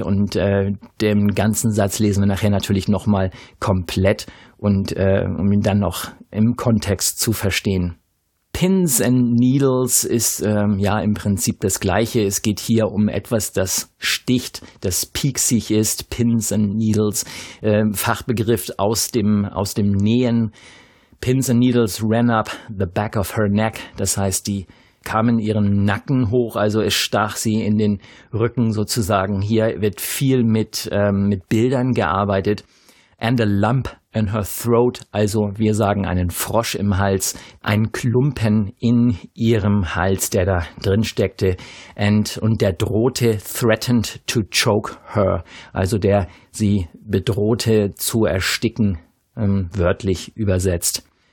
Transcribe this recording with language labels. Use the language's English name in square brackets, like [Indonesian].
[German] Und den ganzen Satz lesen wir nachher natürlich nochmal komplett, und um ihn dann noch im Kontext zu verstehen. Pins and Needles ist im Prinzip das Gleiche. Es geht hier um etwas, das sticht, das pieksig ist. Pins and Needles, Fachbegriff aus dem Nähen. [English] Pins and Needles ran up the back of her neck. [German] Das heißt, die kamen ihren Nacken hoch, also es stach sie in den Rücken sozusagen. Hier wird viel mit Bildern gearbeitet. [English] And a lump in her throat, [German] also wir sagen einen Frosch im Hals, ein Klumpen in ihrem Hals, der da drin steckte, und der drohte, [English] threatened to choke her, [German] also der sie bedrohte zu ersticken, wörtlich übersetzt.